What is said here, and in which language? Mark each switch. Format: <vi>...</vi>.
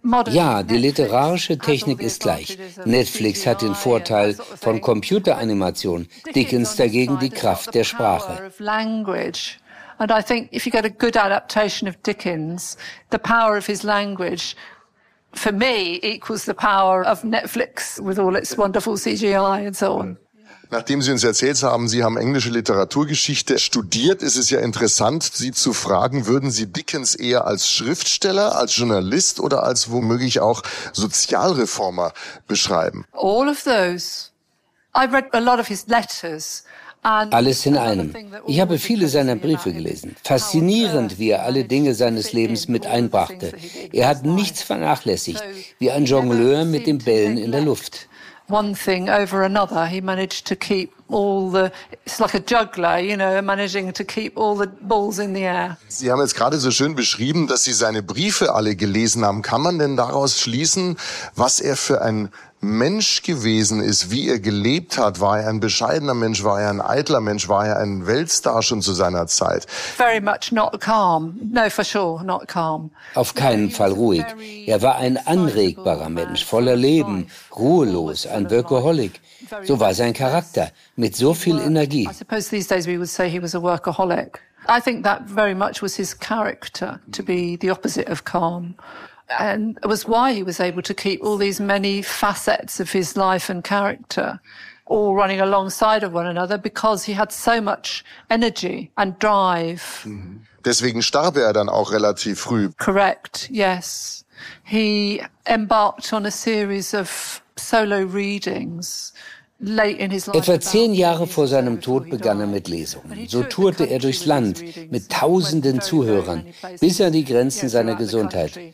<de>Ja, die literarische Technik ist gleich. Netflix hat den Vorteil von Computeranimation, Dickens dagegen die Kraft der Sprache.</de> <en>And I think if you get a good adaptation of Dickens, the power of his language, for me, equals the power of Netflix with all its wonderful CGI and so on.</en> <de>Nachdem Sie uns erzählt haben, Sie haben englische Literaturgeschichte studiert, ist es ja interessant, Sie zu fragen, würden Sie Dickens eher als Schriftsteller, als Journalist oder als womöglich auch Sozialreformer beschreiben?</de> <en>All of those. I've read a lot of his letters.</en> <de>Alles in einem. Ich habe viele seiner Briefe gelesen. Faszinierend, wie er alle Dinge seines Lebens mit einbrachte. Er hat nichts vernachlässigt, wie ein Jongleur mit den Bällen in der Luft.</de> <en>One thing over another, he managed to keep all the, it's like a juggler, you know, managing to keep all the balls in the air.</en> <de>Sie haben jetzt gerade so schön beschrieben, dass Sie seine Briefe alle gelesen haben. Kann man denn daraus schließen, was er für ein Mensch gewesen ist, wie er gelebt hat? War er ein bescheidener Mensch? War er ein eitler Mensch? War er ein Weltstar schon zu seiner Zeit?</de> <en>Very much not calm. No, for sure, not calm.</en> <de>Auf keinen Fall ruhig. Er war ein anregbarer Mensch, voller Leben, ruhelos, ein Workaholic. So war sein Charakter, mit so viel Energie.</de> <en>I suppose these days we would say he was a workaholic. I think that very much was his character, to be the opposite of calm. And it was why he was able to keep all these many facets of his life and character all running alongside of one another, because he had so much energy and drive.</en> <de>Deswegen starb er dann auch relativ früh.</de> <en>Correct, yes. He embarked on a series of solo readings.</en> <de>Etwa 10 Jahre vor seinem Tod begann er mit Lesungen. So tourte er durchs Land mit tausenden Zuhörern, bis an die Grenzen seiner Gesundheit.</de>